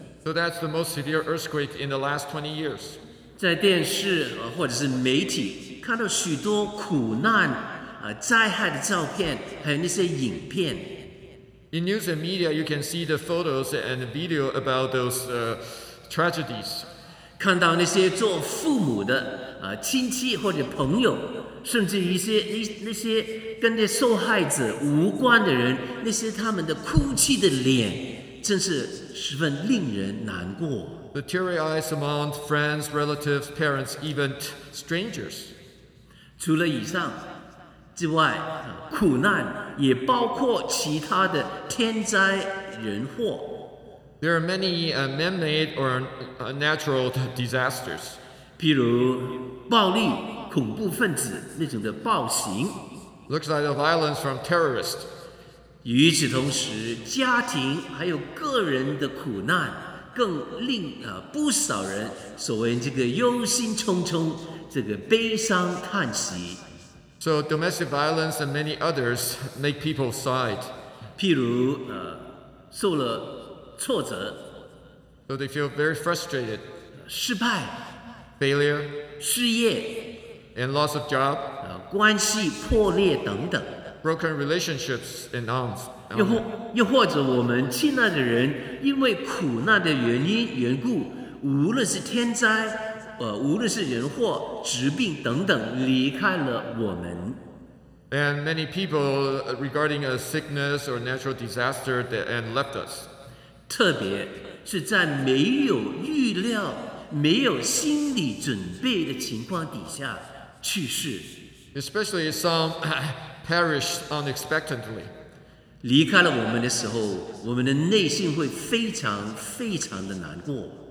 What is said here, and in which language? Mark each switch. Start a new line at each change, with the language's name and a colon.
English: So that's the most severe earthquake in the last 20 years.
Chinese: 在电视或者是媒体看到许多苦难灾害的照片还有那些影片。
English: In news and media, you can see the photos and the video about those tragedies.
Chinese: 看到那些做父母的亲戚或者朋友，甚至那些跟那受害者无关的人，那些他们的哭泣的脸，真是十分令人难过。
English: The teary eyes among friends, relatives, parents, even strangers.
Chinese: 除了以上之外，苦难也包括其他的天灾人祸。
English: There are many man-made or natural disasters.
Chinese: 譬如暴力、恐怖分子那种的暴行。
English: Looks like the violence from terrorists.
Chinese: 与此同时，家庭还有个人的苦难。更令不少人所谓这个忧心忡忡，这个悲伤叹息。
English: So domestic violence and many others make people sad.
Chinese: 譬如受了挫折。
English: So they feel very frustrated.
Chinese: 失败。
English: Failure.
Chinese: 失业。
English: And loss of job.
Chinese: 关系破裂等等。
English: Broken relationships and arms.
Chinese: 又或者我们亲爱的人因为苦难的缘故，无论是天灾无论是人祸疾病等等离开了我们。
English: And many people regarding a sickness or natural disaster that and left us.
Chinese: 特别是在没有预料没有心理准备的情况底下去世。
English: Especially some perished unexpectedly.
Chinese: 离开了我们的时候，我们的内心会非常非常的难过。